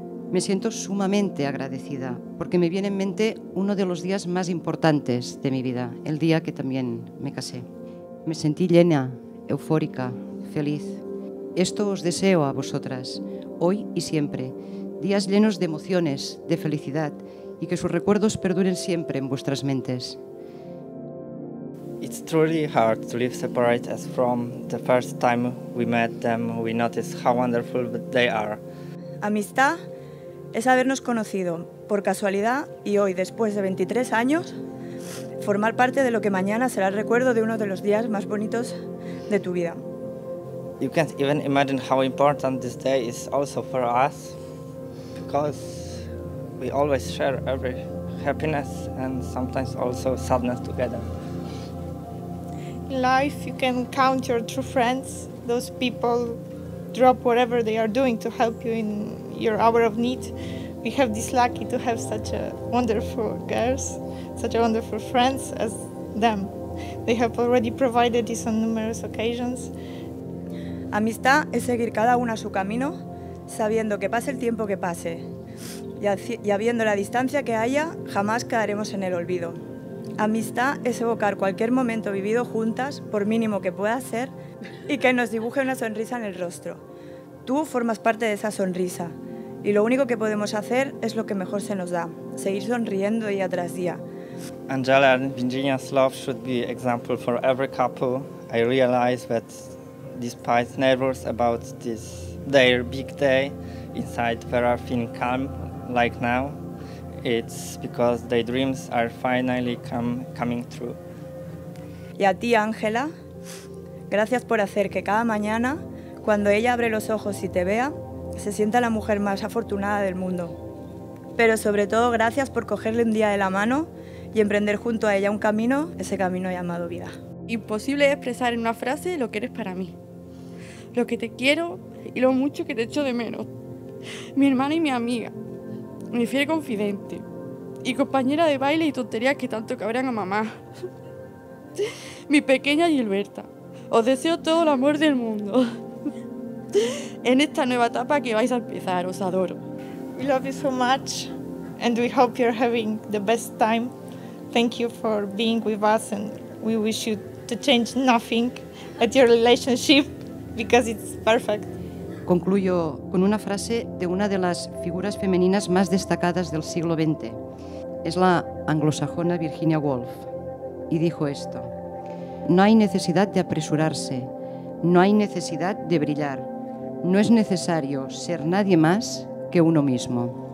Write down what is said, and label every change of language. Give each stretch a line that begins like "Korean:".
Spanish: Me siento sumamente agradecida porque me viene en mente uno de los días más importantes de mi vida, el día que también me casé. Me sentí llena, eufórica, feliz. Esto os deseo a vosotras, hoy y siempre. Días llenos de emociones, de felicidad y que sus recuerdos perduren siempre en vuestras mentes.
English: It's truly hard to live separate as from the first time we met them, we noticed how wonderful they are.
Spanish: Amistad es habernos conocido por casualidad y hoy, después de 23 años, formar parte de lo que mañana será el recuerdo de uno de los días más bonitos de tu vida.
English: You can't even imagine how important this day is also for us, because we always share every happiness and sometimes also sadness together. In life, you can count your true friends. Those people drop whatever they are doing to help you in your hour of need. We have this lucky to have such a wonderful girls, such a wonderful friends as them. They have already provided this on numerous occasions.
Spanish: Amistad es seguir cada una su camino, sabiendo que pase el tiempo que pase y habiendo la distancia que haya, jamás quedaremos en el olvido. Amistad es evocar cualquier momento vivido juntas, por mínimo que pueda ser, y que nos dibuje una sonrisa en el rostro. Tú formas parte de esa sonrisa. Y lo único que podemos hacer es lo que mejor se nos da, seguir sonriendo día tras día.
English: Angela and Virginia's love should be example for every couple. I realize that despite nervous about this their big day, inside they are feeling calm like now. It's because their dreams are finally coming true.
Spanish: Y a ti, Angela, gracias por hacer que cada mañana, cuando ella abre los ojos y te vea, se sienta la mujer más afortunada del mundo. Pero sobre todo, gracias por cogerle un día de la mano y emprender junto a ella un camino, ese camino llamado vida. Imposible expresar en una frase lo que eres para mí, lo que te quiero y lo mucho que te echo de menos. Mi hermana y mi amiga, mi fiel confidente y compañera de baile y tonterías que tanto cabrean a mamá. Mi pequeña Gilberta, os deseo todo el amor del mundo. En esta nueva etapa que vais a empezar, os adoro.
English: We love you so much and we hope you're having the best time. Thank you for being with us and we wish you to change nothing at your relationship because it's perfect.
Spanish: Concluyo con una frase de una de las figuras femeninas más destacadas del siglo XX. Es la anglosajona Virginia Woolf y dijo esto: no hay necesidad de apresurarse. No hay necesidad de brillar. No es necesario ser nadie más que uno mismo.